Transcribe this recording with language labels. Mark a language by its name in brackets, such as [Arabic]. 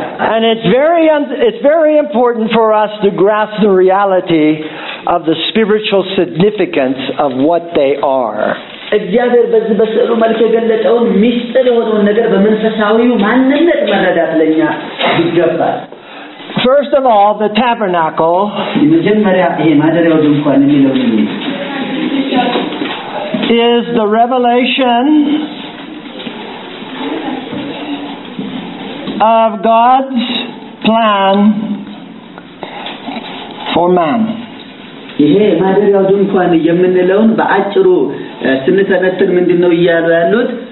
[English] And it's very important for us to grasp the reality of the spiritual significance of what they are. [Amharic] እግዚአብሔር በዚህ በስዕሉ መልክ የገለጠውን ምስጢር የሆነውን ነገር በመንፈሳዊው ማንነት መረዳት ለኛ ይገባል። [English] First of all, the tabernacle. [Amharic] የመጀመሪያ ይሄ ማደሪያው ድንኳን የሚለው ምን ነው? [English] Is the revelation of God's plan for man. [Amharic] ይሄ ማደሪያው ድንኳን የምንለውን በአጭሩ ስንተነትን ምንድነው ይያዛሉት